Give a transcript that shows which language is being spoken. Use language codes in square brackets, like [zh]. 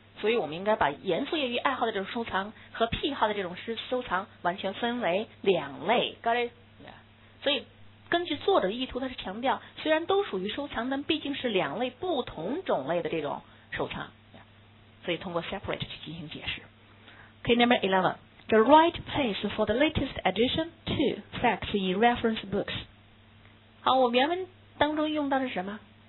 [zh] 所以我们应该把严肃业余爱好的这种收藏和癖好的这种收藏完全分为两类。 [en] Got it？ Yeah. [zh] 所以。根据作者的意图，他是强调虽然都属于收藏，但毕竟是两类不同种类的这种收藏，所以通过 separate 去进行解释。 [en] Okay, number 11, the right place for the latest addition to facts in reference books. [zh] 好，我原文当中用到的是什么？